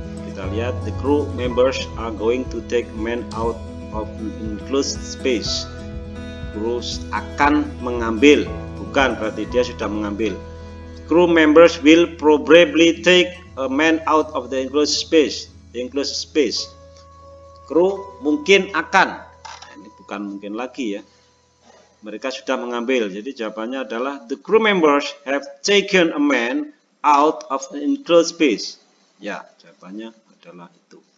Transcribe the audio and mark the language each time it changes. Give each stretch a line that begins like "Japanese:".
English: Kita lihat, the crew members are going to take men out of enclosed space.
Indonesian: Crew akan mengambil, bukan berarti dia sudah mengambil.
English: Crew members will probably take a man out of the enclosed space. Enclosed space.
Indonesian: Crew mungkin akan, ini bukan mungkin lagi, ya.
English: Mereka sudah mengambil. Jadi jawabannya adalah the crew members have taken a man out of the enclosed space.
Indonesian: Ya, jawabannya adalah itu.